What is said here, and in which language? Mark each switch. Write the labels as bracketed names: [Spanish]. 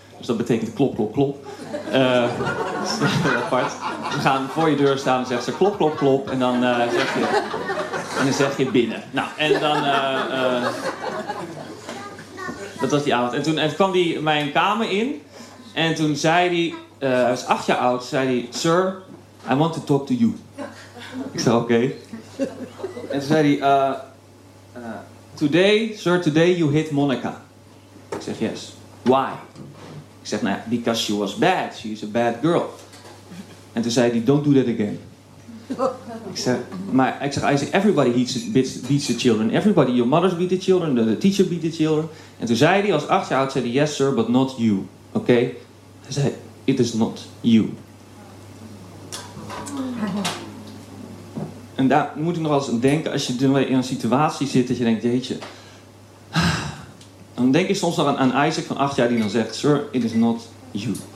[Dutch] Dus dat betekent klop, klop, klop. apart. Ze gaan voor je deur staan en zeggen ze klop, klop, klop. En dan zeg je... En dan zeg je binnen. Nou, en dan... dat was die avond. En toen kwam hij mijn kamer in. En toen zei hij... hij was 8 jaar oud. Zei hij, [English] sir, I want to talk to you. [Dutch] Ik zei, oké. En toen zei hij... [English] today, sir, today you hit Monica. [Dutch] Ik zeg, [English] yes. Why? [Dutch] Ik zeg, nou ja, [English] because she was bad. She is a bad girl. [Dutch] En toen zei hij, [English] don't do that again. [Dutch] Ik zeg, [English] everybody beats the children. Everybody, your mothers beat the children, the teacher beat the children. [Dutch] En toen zei hij, als 8 jaar oud, zei hij, [English] yes sir, but not you. [Dutch] Oké? Okay? Hij zei, [English] it is not you. [Dutch] En daar moet ik nog wel eens aan denken, als je in een situatie zit, dat je denkt, jeetje. Dan denk je soms nog aan Isaac van 8 jaar, die dan zegt, [English] sir, it is not you.